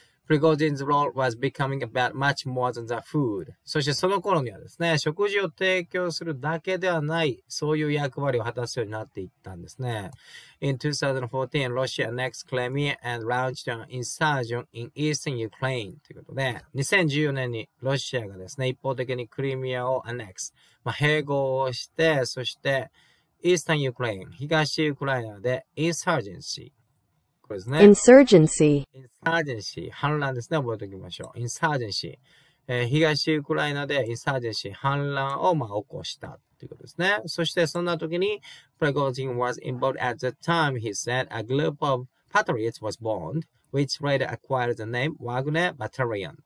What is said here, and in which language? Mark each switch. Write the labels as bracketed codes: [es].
[en] Prigozhin's role was becoming about much more than the food. [ja] そしてその頃にはですね、食事を提供するだけではない、そういう役割を果たすようになっていったんですね。 In 2014, Russia annexed Crimea and launched an insurgent in eastern Ukraine. ということで、2014年にロシアがですね、一方的にクリミアを annex、まあ、併合をして、そして eastern Ukraine、東ウクライナで insurgency。ですね、 [en] Insurgency. [ja] Insurgency. 反乱ですね。覚えておきましょう。Insurgency. 東ウクライナで Insurgency. 反乱をまあ起こしたということですね。そしてそんな時に、 [en] Prigozhin was involved at the time, he said, a group of patriots was born, which later acquired the name Wagner Battalion.